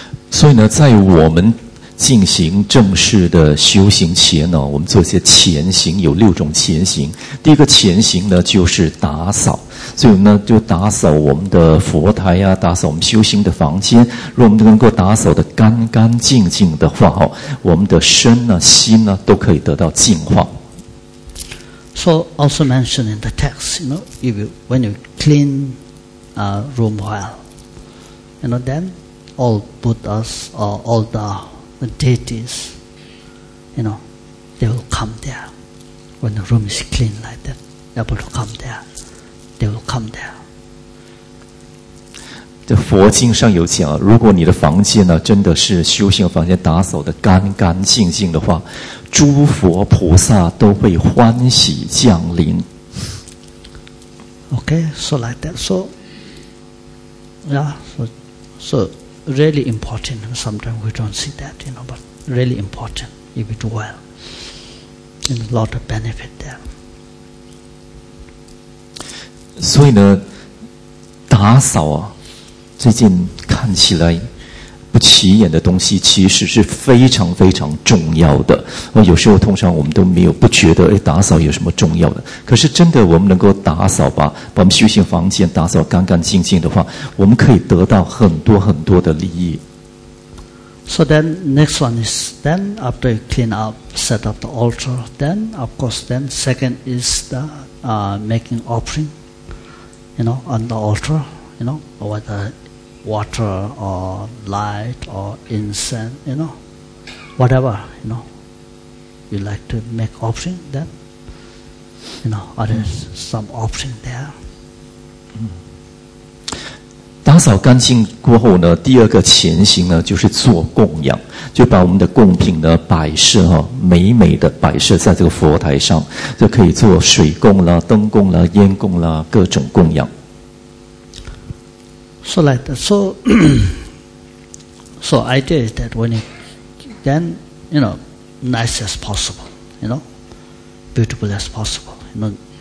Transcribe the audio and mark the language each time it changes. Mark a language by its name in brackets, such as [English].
[Chinese] 所以呢，在我们进行正式的修行前呢，我们做一些前行，有六种前行。第一个前行呢，就是打扫。所以呢，就打扫我们的佛台啊，打扫我们修行的房间。如果我们能够打扫得干干净净的话，我们的身呢、心呢，都可以得到净化。 [English] So also mentioned in the text, you know, if you, when you clean a room well, you know, then all Buddhas or all the deities, you know, they will come there. When the room is clean like that, they will come there. They will come there. [Chinese] 这佛经上有讲，如果你的房间呢，真的是修行房间，打扫得干干净净的话，诸佛菩萨都会欢喜降临。 [English] Okay, so like that. So, yeah, so really important. Sometimes we don't see that, you know, but really important if we do well. And a lot of benefit there. [Chinese] 所以呢，打扫啊，最近看起来不起眼的东西，其实是非常非常重要的。有时候通常我们都没有不觉得，哎，打扫有什么重要的？可是真的，我们能够打扫把我们修行房间打扫干干净净的话，我们可以得到很多很多的利益。 [English] So then, next one is then after you clean up, set up the altar. Then, of course, then second is the making offering. You know, on the altar, you know, whether water or light or incense, you know, whatever, you know, you like to make offering, then, you know, or there's some offering there. [Chinese] 打扫干净过后呢，第二个前行呢，就是做供养，就把我们的供品呢摆设哈、美美的摆设在这个佛台上，就可以做水供啦、灯供啦、烟供啦，各种供养。 [English] So like that. So, so idea is that when you, then, you know, nice as possible, you know, beautiful as possible, you know,